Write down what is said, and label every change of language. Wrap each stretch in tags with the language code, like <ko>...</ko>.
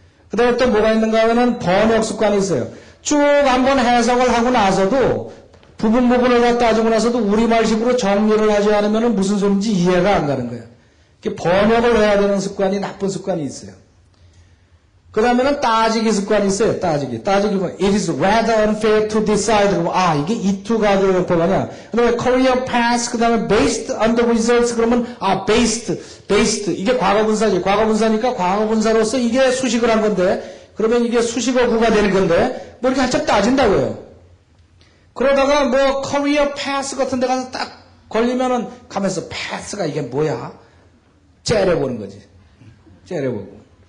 <ko>그 다음에 또 뭐가 있는가 하면은 번역 습관이 있어요. 쭉 한번 해석을 하고 나서도 부분 부분을 다 따지고 나서도 우리말식으로 정리를 하지 않으면 무슨 소리인지 이해가 안 가는 거야. 번역을 해야 되는 습관이 나쁜 습관이 있어요. 그 다음에는 따지기 습관이 있어요. 따지기.</ko> <en>It is rather unfair to decide.</en> <ko>이게 이투 가조용법 아니야. 그 다음에 career path, 그 다음에</ko> <en>based on the results.</en> <ko>그러면, based. 이게 과거분사지. 과거분사니까 과거분사로서 이게 수식을 한 건데, 그러면 이게 수식어구가 되는 건데, 뭐 이렇게 한참 따진다고요. 그러다가 뭐 커리어 패스 같은 데 가서 딱 걸리면은 가면서 패스가 이게 뭐야? 째려보는 거지. 째려보고.</ko>